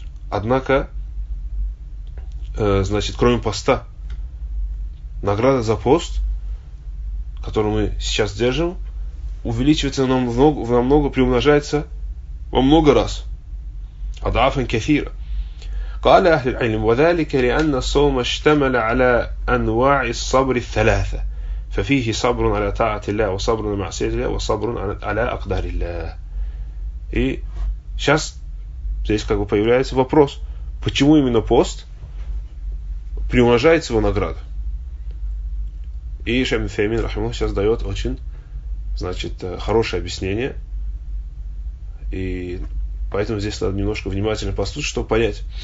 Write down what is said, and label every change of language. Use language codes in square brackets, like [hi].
[ru] Однако, значит, кроме поста, награда за пост, который мы сейчас держим, увеличивается намного, приумножается во много раз. [ar] Адафан кафира. قال أهل العلم وذلك لأن الصوم اشتمل على أنواع الصبر الثلاثة ففيه صبر على طاعة الله وصبر على معصية الله وصبر على أقدار الله. [ru] И сейчас здесь как бы появляется вопрос, почему именно пост приумножает его награду? И Шейх Ибн Тэймия рахимахуллах сейчас дает очень, значит, хорошее объяснение, и поэтому здесь надо немножко внимательно послушать, чтобы понять.